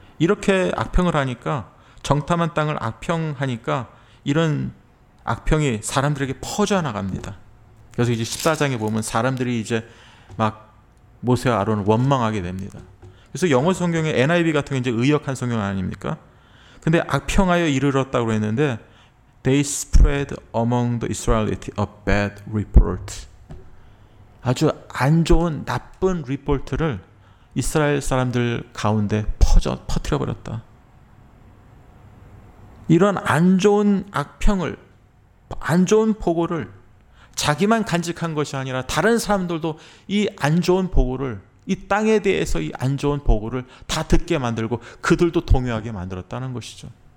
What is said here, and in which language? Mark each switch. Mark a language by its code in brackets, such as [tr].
[ko] 이렇게 악평을 하니까 정탐한 땅을 악평하니까 이런 악평이 사람들에게 퍼져나갑니다. 그래서 이제 14장에 보면 사람들이 이제 막 모세와 아론을 원망하게 됩니다. 그래서 영어 성경의 NIV 같은 게 이제 의역한 성경 아닙니까? 근데 악평하여 이르렀다고 했는데 [en] They spread among the Israelites a bad report. [ko] 아주 안 좋은 나쁜 리포트를 이스라엘 사람들 가운데 퍼뜨려버렸다. 이런 안 좋은 악평을, 안 좋은 보고를 자기만 간직한 것이 아니라 다른 사람들도 이 안 좋은 보고를, 이 땅에 대해서 이 안 좋은 보고를 다 듣게 만들고 그들도 동요하게 만들었다는 것이죠.